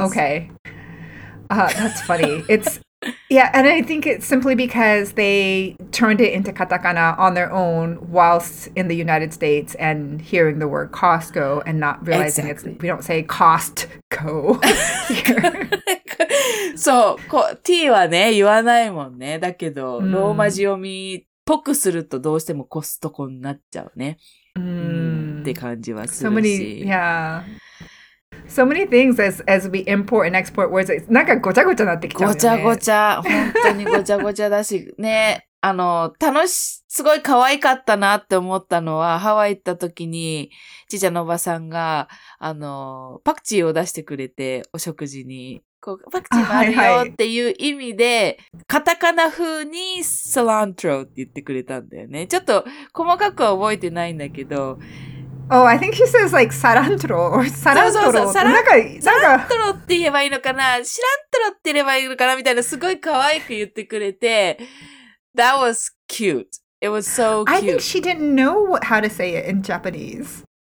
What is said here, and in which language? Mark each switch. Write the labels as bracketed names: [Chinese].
[English] Okay. That's funny. It's, yeah, and I think it's simply because they turned it into katakana on their own whilst in the United States and hearing the word Costco and not realizing it's, we don't say Costco here. [Japanese] そう、T はね、言わないもんね。だけど、ローマ字読みっぽくするとどうしてもコストコになっちゃうね。って感じはするし。 [English] So many, yeah. So many things as we import and export words, it's [Japanese] なんかごちゃごちゃなってきちゃうよね。ごちゃごちゃ、本当にごちゃごちゃだし、ね、あの、楽し、すごい可愛かったなって思ったのは、ハワイ行った時に、ちいちゃんのおばさんが、あの、パクチーを出してくれて、お食事に。こう、パクチーもあるよっていう意味で、はいはい、カタカナ風にサラントロって言ってくれたんだよね。ちょっと、細かくは覚えてないんだけど、 [English] Oh, I think she says like sarantro or sarantro. [Japanese] Sarantro って言えばいいのかな?Sarantro って言えばいいのかな? みたいなすごい可愛く言ってくれて [English] That was cute. It was so cute. I think she didn't know how to say it in Japanese.